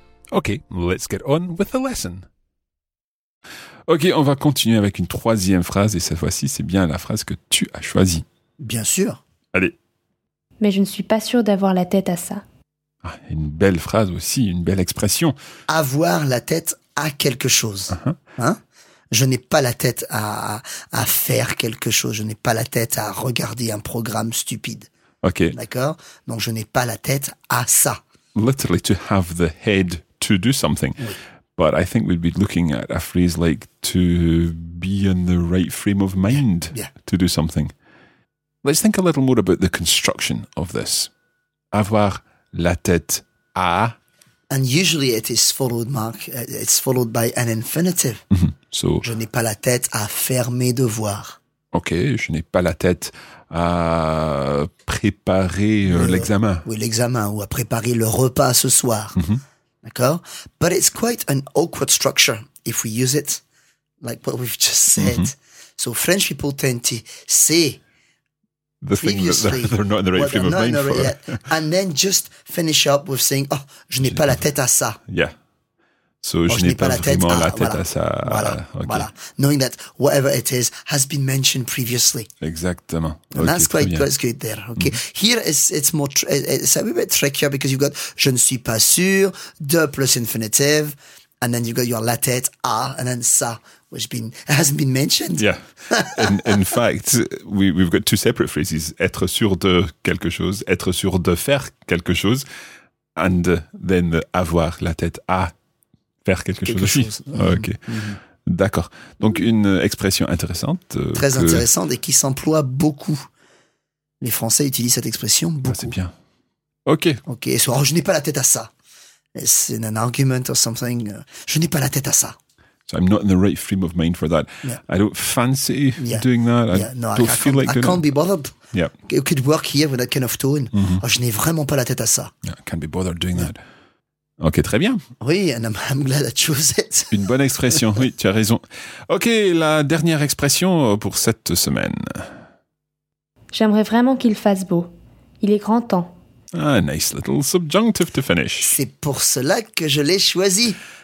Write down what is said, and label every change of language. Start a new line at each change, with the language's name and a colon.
English: Ok, let's get on with the lesson.
French: Ok, on va continuer avec une troisième phrase, et cette fois-ci, c'est bien la phrase que tu as choisie. Bien sûr. Allez. Mais je ne suis pas sûr d'avoir la tête à ça. Ah, une belle phrase aussi, une belle expression. Avoir la tête à quelque chose. Uh-huh. Hein? Je n'ai pas la tête à faire quelque chose, je n'ai pas la tête à regarder un programme stupide.
English: Ok.
French: D'accord ? Donc je n'ai pas la tête à ça.
English: Literally, to have the head to do something. But I think we'd be looking at a phrase like to be in the right frame of mind to do something. Let's think a little more about the construction of this.
French: Avoir la tête à.
English: And usually it is followed, Mark, it's followed by an infinitive. Mm-hmm. So,
French: je n'ai pas la tête à faire mes devoirs. Ok, je n'ai pas la tête à préparer l'examen. Oui, l'examen, ou à préparer le repas ce soir. Mm-hmm. D'accord?
English: But it's quite an awkward structure if we use it, like what we've just said. Mm-hmm. So French people tend to say the thing that they're not in the right frame of mind for. And then just finish up with saying, oh,
French: je n'ai pas la tête à ça.
English: Yeah. So
French: je n'ai pas vraiment la tête à ça. Voilà.
English: Knowing that whatever it is has been mentioned previously.
French: Exactement.
English: And okay, that's quite good there. Okay. Mm. Here it's more it's a bit trickier because you've got
French: je ne suis pas sûr,
English: de plus infinitive, and then you've got your
French: la tête à,
English: and then ça. Which hasn't been mentioned. Yeah. In fact, we've got two separate phrases.
French: Être sûr de quelque chose, être sûr de faire quelque chose,
English: and then
French: avoir la tête à faire quelque chose. Aussi. Mm-hmm. Okay. Mm-hmm. D'accord. Donc, une expression intéressante. Très intéressante et qui s'emploie beaucoup. Les Français utilisent cette expression beaucoup. Ah, c'est bien. Okay. Okay. So, je n'ai pas la tête à ça.
English: It's in an argument or something.
French: Je n'ai pas la tête à ça.
English: So I'm not in the right frame of mind for that. Yeah. I don't fancy doing that. I can't be bothered. Yeah. It could work here with that kind of tone. Mm-hmm.
French: Oh, je n'ai vraiment pas la tête à ça.
English: Yeah, I can't be bothered doing that.
French: Okay, très bien.
English: Oui, and I'm glad I chose it.
French: Une bonne expression, oui, tu as raison. Okay, la dernière expression pour cette semaine. J'aimerais vraiment qu'il fasse beau. Il est grand temps.
English: Ah, nice little subjunctive to finish.
French: C'est pour cela que je l'ai choisi.